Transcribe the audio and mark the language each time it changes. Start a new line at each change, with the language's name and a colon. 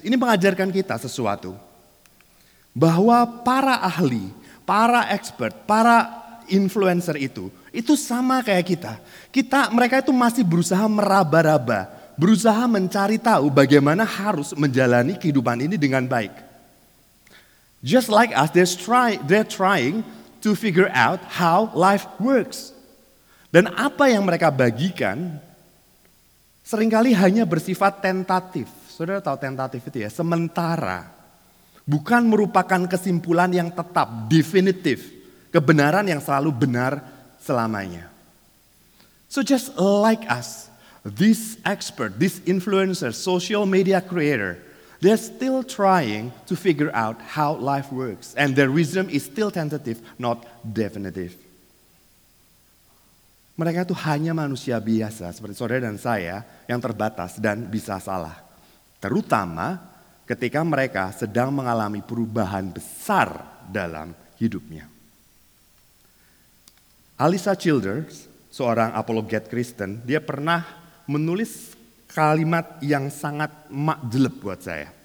Indonesian: Ini mengajarkan kita sesuatu. Bahwa para ahli, para expert, para influencer itu sama kayak kita. Kita, mereka itu masih berusaha meraba-raba, berusaha mencari tahu bagaimana harus menjalani kehidupan ini dengan baik.
English: Just like us, they're trying to figure out how life works.
Indonesian: Dan apa yang mereka bagikan seringkali hanya bersifat tentatif. Saudara tahu tentatif itu ya, sementara. Bukan merupakan kesimpulan yang tetap, definitif. Kebenaran yang selalu benar selamanya.
English: So just like us, this expert, this influencer, social media creator, they're still trying to figure out how life works. And their wisdom is still tentative, not definitive.
Indonesian: Mereka itu hanya manusia biasa, seperti saudara dan saya, yang terbatas dan bisa salah. Terutama ketika mereka sedang mengalami perubahan besar dalam hidupnya. Alyssa Childers, seorang apologet Kristen, dia pernah menulis kalimat yang sangat makjleb buat saya.